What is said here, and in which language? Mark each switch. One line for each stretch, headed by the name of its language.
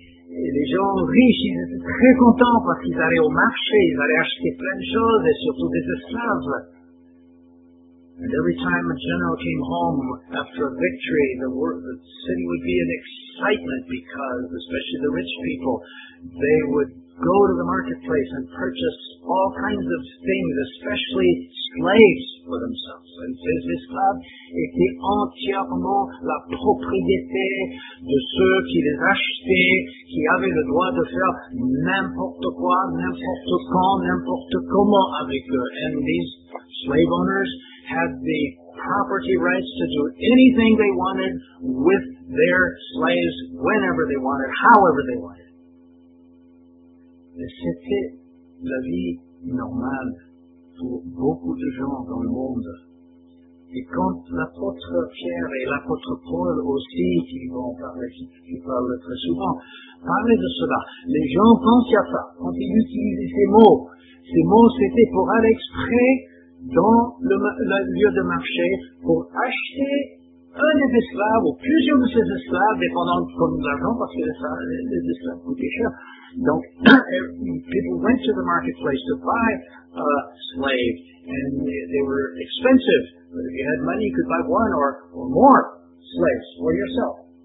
French: Les gens riches, ils étaient très contents parce qu'ils allaient au marché, ils allaient acheter plein de choses et surtout des esclaves.
English: And every time a general came home after a victory, the city would be in excitement because, especially the rich people, they would go to the marketplace and purchase all kinds of things, especially slaves for themselves.
French: And ces esclaves étaient entièrement la propriété de ceux qui les achetaient, qui avaient le droit de faire n'importe quoi, n'importe quand, n'importe comment avec eux.
English: And these slave owners had the property rights to do anything they wanted with their slaves, whenever they wanted, however they wanted.
French: Mais c'était la vie normale pour beaucoup de gens dans le monde. Et quand l'apôtre Pierre et l'apôtre Paul aussi, qui parlent très souvent, parlaient de cela, les gens pensaient à ça. Quand ils utilisaient ces mots, c'était pour aller exprès dans le lieu de marché pour acheter un des esclaves ou plusieurs de ces esclaves dépendant de l'argent parce que les esclaves coûtaient cher.
English: Donc, people went to the marketplace to buy a slave and they were expensive. But if you had money, you could buy one or more slaves for yourself.